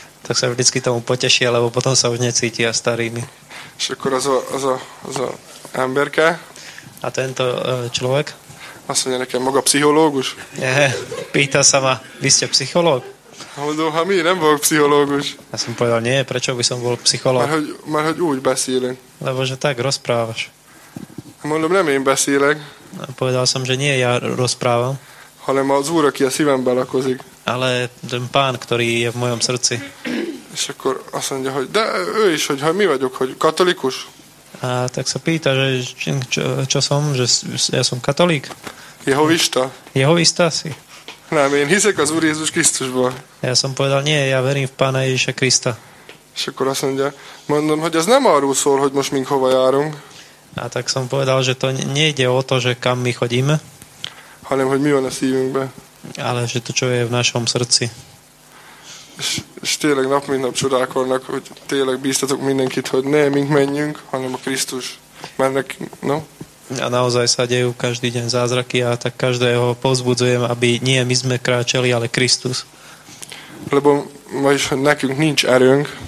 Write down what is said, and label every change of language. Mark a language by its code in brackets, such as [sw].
[sk] Tak sa vždycky tomu potešia, lebo potom sa už necítia starými. [hu] És akkor az a emberke. [sk] A tento človek? [hu] Azt mondja nekem, maga pszichológus? [sk] Nie, pýta sa ma, vy ste pszichológ? [hu] Ha mi, nem vagyok pszichológus. [sk] Ja som povedal, nie, prečo by som bol pszichológ? [hu] Mert hogy úgy beszélünk. [sk] Lebo že tak rozprávaš. [hu] Mondom, nem én beszélek. [sk] A povedal som, že nie ja rozprávam. [hu] Hanem az Úr, aki a szívemben lakozik. [sk] Ale ten Pán, ktorý je v mojom srdci. [hu] És akkor azt mondja, hogy de ő is, hogy mi vagyok, hogy katolikus? [sk] A tak sa pýta, že čo som, že ja som katolík. [hu] Jehovista. [sk] Jehovista si. [hu] Nem, én hiszek az Úr Jézus Krisztusban. [sk] Ja som povedal, nie, ja verím v Pána Ježiša Krista. [hu] És akkor azt mondja, mondom, hogy ez nem arról szól, hogy most mink hova járunk. [sk] A tak som povedal, že to nejde o to, že kam my chodíme. [hu] Hanem, hogy mi van a szívünkben. [sk] Ale, že to, čo je v našom srdci. [hu] És tényleg nap mint nap csodák vannak, hogy tényleg bíztatok mindenkit, hogy ne mink menjünk, hanem a Krisztus. Mert neki, no. [sk] A naozaj sa dejú každý deň zázraky a tak každého povzbudzujem, aby nie my sme kráčali, ale Kristus. [hu] Lebo vagyis, nekünk nincs erőnk.